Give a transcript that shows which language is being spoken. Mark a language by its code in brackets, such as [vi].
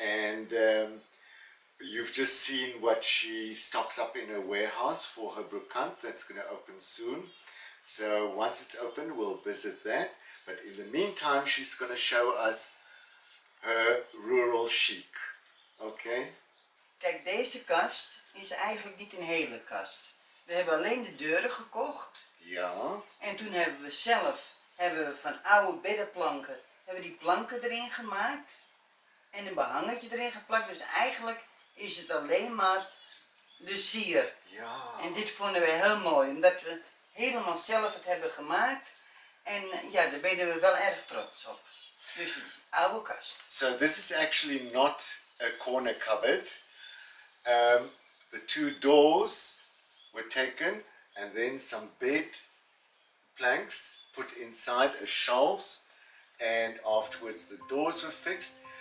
[en] And you've just seen what she stocks up in her warehouse for her brocante that's going to open soon. So once it's open, we'll visit that. But in the meantime, she's going to show us her rural chic. Okay? [nl] Kijk, deze kast is eigenlijk niet een hele kast. We hebben alleen de deuren gekocht. Ja. En toen hebben we van oude beddenplanken, hebben die planken erin gemaakt. En een behangetje erin geplakt. Dus eigenlijk is het alleen maar de sier. Ja. En dit vonden we heel mooi, omdat we helemaal zelf het hebben gemaakt. En ja, daar ben we wel erg trots op. Dus die oude kast. [en] So this is actually not a corner cupboard. The two doors were taken and then some bed planks put inside as shelves, and afterwards the doors were fixed.